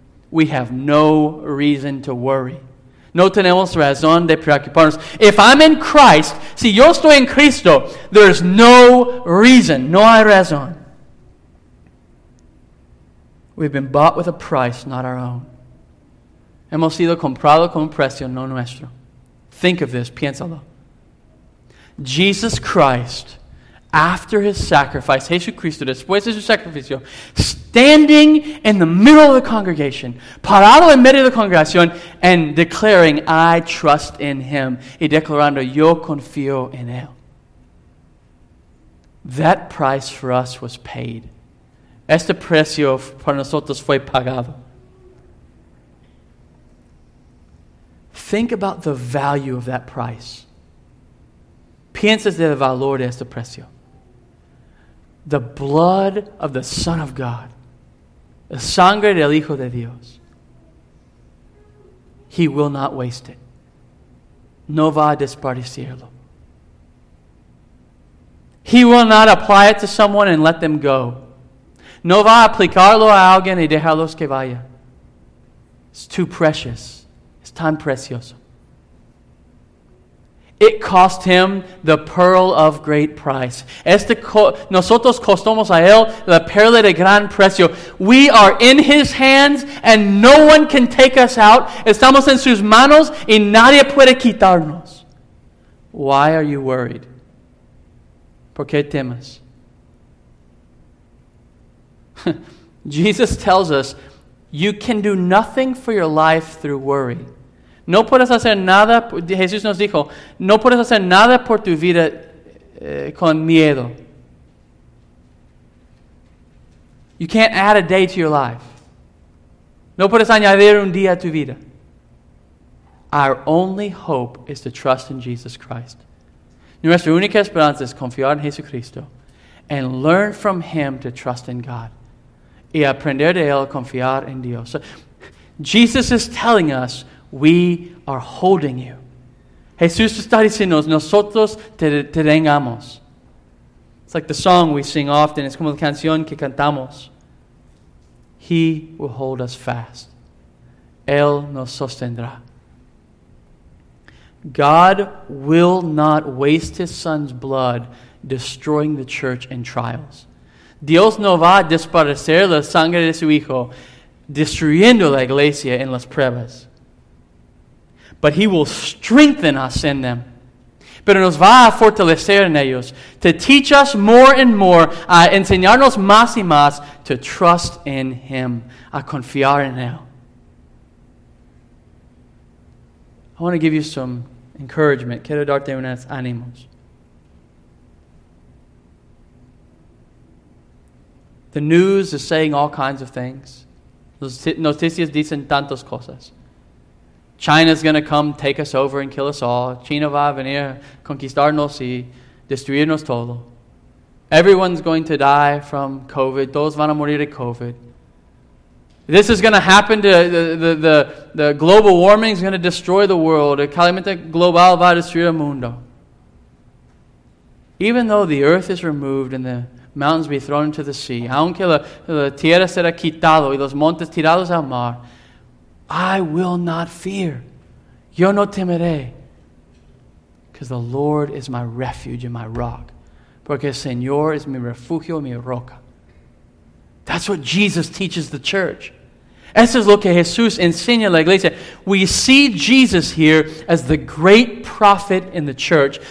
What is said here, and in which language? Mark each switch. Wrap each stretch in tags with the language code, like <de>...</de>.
<en>We have no reason to worry.</en> <es>No tenemos razón de preocuparnos.</es> <en>If I'm in Christ,</en> <es>si yo estoy en Cristo,</es> <en>there's no reason,</en> <es>no hay razón.</es> <en>We've been bought with a price, not our own.</en> <es>Hemos sido comprados con un precio, no nuestro.</es> <en>Think of this,</en> <es>piénsalo.</es> <en>Jesus Christ, after His sacrifice,</en> <es>Jesucristo, después de su sacrificio,</es> <en>standing in the middle of the congregation,</en> <es>parado en medio de la congregación,</es> <en>and declaring, I trust in Him.</en> <es>Y declarando, yo confío en Él.</es> <en>That price for us was paid.</en> <es>Este precio para nosotros fue pagado.</es> <en>Think about the value of that price.</en> <es>Piensas del valor de este precio.</es> <en>The blood of the Son of God.</en> <es>La sangre del Hijo de Dios.</es> <en>He will not waste it.</en> <es>No va a desperdiciarlo.</es> <en>He will not apply it to someone and let them go.</en> <es>No va a aplicarlo a alguien y dejarlos que vaya.</es> <en>It's too precious. It's</en> <es>tan precioso.</es> <en>It cost him the pearl of great price.</en> <es>Nosotros costamos a él la perla de gran precio.</es> <en>We are in his hands and no one can take us out.</en> <es>Estamos en sus manos y nadie puede quitarnos.</es> <en>Why are you worried?</en> <es>¿Por qué temes?</es> <en>Jesus tells us, you can do nothing for your life through worry.</en> <es>No puedes hacer nada, Jesús nos dijo, no puedes hacer nada por tu vida con miedo.</es> <en>You can't add a day to your life.</en> <es>No puedes añadir un día a tu vida.</es> <en>Our only hope is to trust in Jesus Christ.</en> <es>Nuestra única esperanza es confiar en Jesucristo</es> <en>and learn from him to trust in God.</en> <es>Y aprender de él a confiar en Dios.</es> <en>So, Jesus is telling us, we are holding you.</en> <es>Jesús está diciendo, nosotros te tengamos.</es> <en>It's like the song we sing often.</en> <es>Es como la canción que cantamos.</es> <en>He will hold us fast.</en> <es>Él nos sostendrá.</es> <en>God will not waste his son's blood destroying the church in trials.</en> <es>Dios no va a desperdiciar la sangre de su hijo destruyendo la iglesia en las pruebas.</es> <en>But he will strengthen us in them.</en> <es>Pero nos va a fortalecer en ellos</es> <en>to teach us more and more,</en> <es>a enseñarnos más y más</es> <en>to trust in him,</en> <es>a confiar en él.</es> <en>I want to give you some encouragement.</en> <es>Quiero darte unas ánimos.</es> <en>The news is saying all kinds of things.</en> <es>Noticias dicen tantas cosas.</es> <en>China's going to come take us over and kill us all.</en> <es>China va a venir conquistarnos y destruirnos todo.</es> <en>Everyone's going to die from COVID.</en> <es>Todos van a morir de COVID.</es> <en>This is going to happen to the global warming is going to destroy the world.</en> <es>El calentamiento global va a destruir el mundo.</es> <en>Even though the earth is removed and the mountains be thrown into the sea,</en> <es>aunque la tierra será quitado y los montes tirados al mar,</es> <en>I will not fear.</en> <es>Yo no temeré.</es> <en>Because the Lord is my refuge and my rock.</en> <es>Porque el Señor es mi refugio y mi roca.</es> <en>That's what Jesus teaches the church.</en> <es>Eso es lo que Jesús enseña a la iglesia.</es> <en>We see Jesus here as the great prophet in the church.</en>